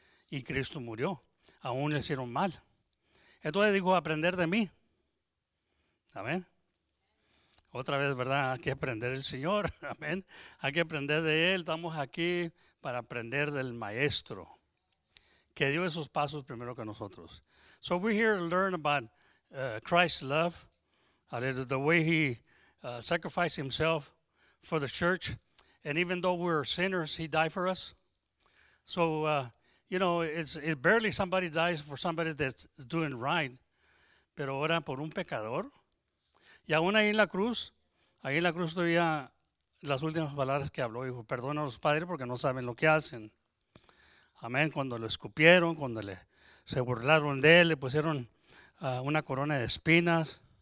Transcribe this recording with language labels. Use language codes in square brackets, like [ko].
[es] Y Cristo murió. Aún le hicieron mal. Entonces dijo, aprender de mí. Amén. Otra vez, ¿verdad? Hay que aprender del Señor. Amén. Hay que aprender de Él. Estamos aquí para aprender del Maestro, que dio esos pasos primero que nosotros. [en] So we're here to learn about Christ's love, the way He sacrificed Himself for the church. And even though we're sinners, He died for us. So, it's barely somebody dies for somebody that's doing right. [es] Pero ahora por un pecador. Y aún ahí en la cruz todavía las últimas palabras que habló, dijo, perdona a los padres porque no saben lo que hacen. Amén. Cuando lo escupieron, cuando se burlaron de él, le pusieron una corona de espinas.